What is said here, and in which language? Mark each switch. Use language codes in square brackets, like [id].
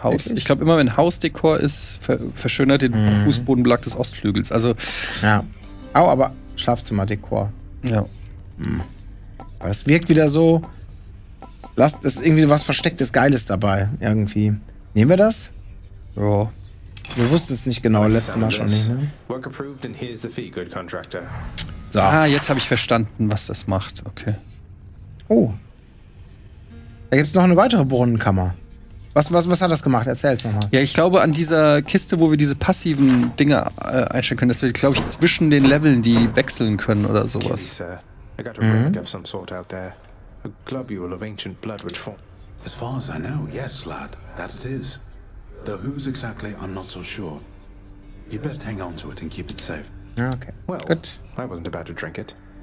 [de] Haus, ich glaube, immer wenn Hausdekor ist, verschönert den Fußbodenbelag des Ostflügels. Also. Ja. Au, aber Schlafzimmerdekor. Ja. Aber es wirkt wieder so. Das ist irgendwie was Verstecktes Geiles dabei. Irgendwie. Nehmen wir das? Ja. Wir wussten es nicht genau, letztes Mal schon nicht, ne? [en] Work approved and here's the fee, good contractor. [de] So. Ah, jetzt habe ich verstanden, was das macht. Okay. Oh. Da gibt es noch eine weitere Brunnenkammer. Was hat das gemacht? Erzähl's nochmal. Ja, ich glaube, an dieser Kiste, wo wir diese passiven Dinge einstellen können, dass wir, glaube ich, zwischen den Leveln die wechseln können oder sowas. [en] Okay, I got a relic of some sort out there. A globule of ancient blood which formed. As far as I know, yes, lad, that it is. Though who's exactly, I'm not so sure. You best hang on to it and keep it safe. Okay. Well, good. I wasn't about to drink it.